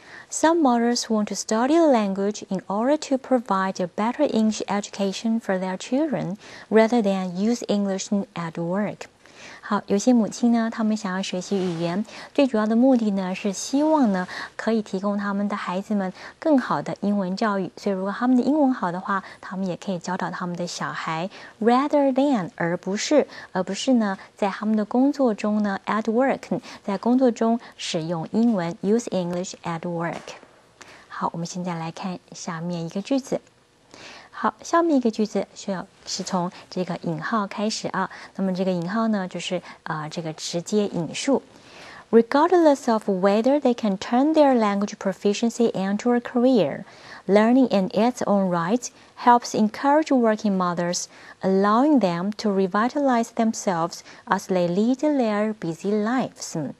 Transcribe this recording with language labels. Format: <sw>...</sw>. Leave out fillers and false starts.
<en>Some mothers want to study the language in order to provide a better English education for their children rather than use English at work.</en> <zh>好，有些母亲呢，他们想要学习语言，最主要的目的呢，是希望呢，可以提供他们的孩子们更好的英文教育。所以如果他们的英文好的话，他们也可以教导他们的小孩。 Rather than, 而不是呢，在他们的工作中呢 ,at work, 在工作中使用英文 ,</zh> <en>use English at work.</en> <zh>好，我们现在来看下面一个句子。好，下面一个句子是从这个引号开始啊。那么这个引号呢，就是这个直接引述。</zh> <en>Regardless of whether they can turn their language proficiency into a career, learning in its own right helps encourage working mothers, allowing them to revitalize themselves as they lead their busy lives.</en>